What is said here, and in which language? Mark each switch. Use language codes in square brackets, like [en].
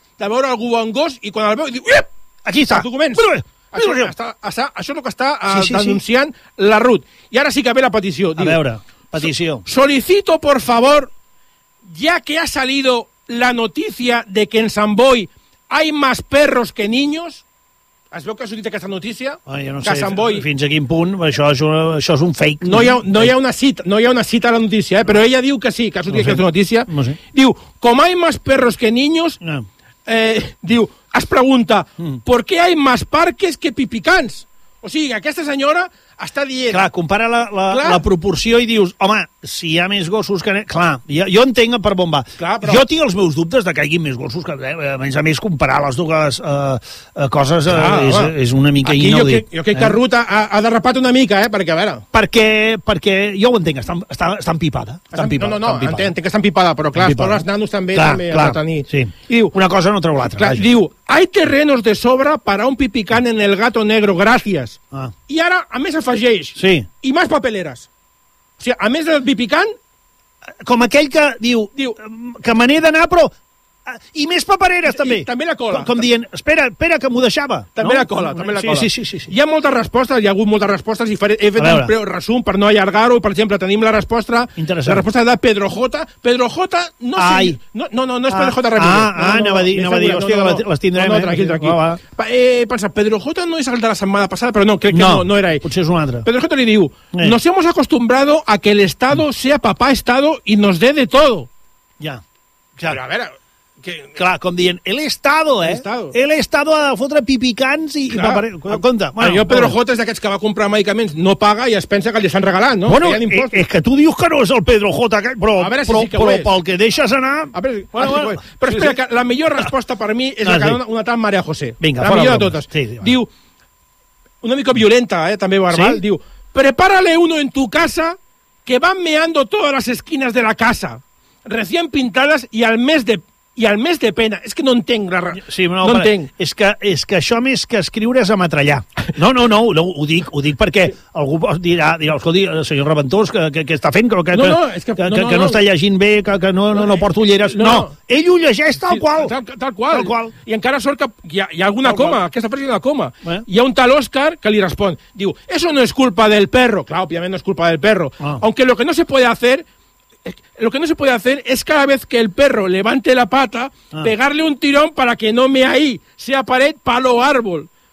[ca] de veure algú amb gos i quan el veu diu, ep, aquí està, documents. Però, això és el que està denunciant la Ruth. I ara sí que ve la petició. A veure, petició. [es] Solicito, por favor, ya que ha salido la noticia de que en San Boi hay más perros que niños... [ca] Es veu que ha sortit aquesta notícia? Fins a quin punt, això és un fake. No hi ha una cita a la notícia, eh? Però ella diu que sí, que ha sortit aquesta notícia. No sé. Diu, com [es] hay más perros que niños... No. [ca] Diu, es pregunta, [es] ¿por qué hay más parques que pipicans? [ca] O sigui, aquesta senyora està dient... Clar, compara la proporció i dius, home, si hi ha més gossos que... Clar, jo entenc per bomba. Clar, però... Jo tinc els meus dubtes de que hi hagi més gossos que... a més, comparar les dues coses és una mica aquí inaudit. Jo crec que Ruth ha derrapat una mica, perquè a veure... Perquè jo ho entenc, està empipada. Entenc que està empipada, però clar, però els nanos també han de tenir. Sí. Diu, una cosa no treu l'altra. Clar, diu, [es] hay terrenos de sobra para un pipicán en el gato negro, gracias. Ah. [ca] I ara, a més, afegeix. Sí. I més papeleres. O sigui, a més del pipicán... Com aquell que diu que me n'he d'anar, però... I més papereres, també. I també la cola. Com dient, espera, que m'ho deixava. També no? la cola. Sí. Hi ha hagut moltes respostes, i he fet un breu resum per no allargar-ho. Per exemple, tenim la resposta... Interessant. La resposta de Pedro J. Pedro J. No, sí, no és Pedro J. Ramírez. Anava a dir, hòstia, que les tindrem. No, tranquil. Pensa, Pedro J. no és el de la setmana passada, però no, crec que no era ell. Potser és un altre. Pedro J. li diu, [es] nos hemos acostumbrado a que el Estado sea papá Estado y nos dé de todo. [ca] Ja. Però a veure... Clar, com dient, el Estado ha de fotre pipicans i compte. Bueno, jo, Pedro J. és d'aquests que va comprar medicaments, no paga i es pensa que li s'han regalat, no? Bueno, és que tu dius que no és el Pedro J., però pel que deixes anar... Però espera, que la millor resposta per mi és la que dona una tal Maria José. Vinga, la millor de totes. Diu, una mica violenta, també verbal, diu, [es] prepárale uno en tu casa que van meando todas las esquinas de la casa recién pintadas y al mes de... [ca] I al més de pena, és que no entenc la raó. Sí, no entenc. És que això més que escriure és ametrallar. No, ho dic perquè algú dirà, escolti, el senyor Reventós, què està fent? No, està llegint bé, que no porta ulleres. No, ell ho llegeix tal qual. Tal qual. I encara sort que hi ha alguna coma, aquesta frase de la coma. Hi ha un tal Òscar que li respon, diu, [es] eso no es culpa del perro. [ca] Clar, òbviament [es] no es culpa del perro. Ah. Aunque lo que no se puede hacer... Lo que no se puede hacer es cada vez que el perro levante la pata, pegarle un tirón para que no me ahí, sea pared, palo, árbol.